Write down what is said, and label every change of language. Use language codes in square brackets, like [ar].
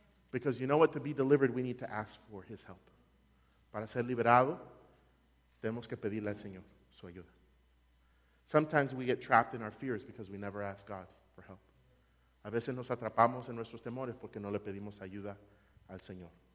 [en] Because you know what? To be delivered, we need to ask for His help. [es] Para ser liberado, tenemos que pedirle al Señor su ayuda. [en] Sometimes we get trapped in our fears because we never ask God for help. [es] A veces nos atrapamos en nuestros temores porque no le pedimos ayuda al Señor.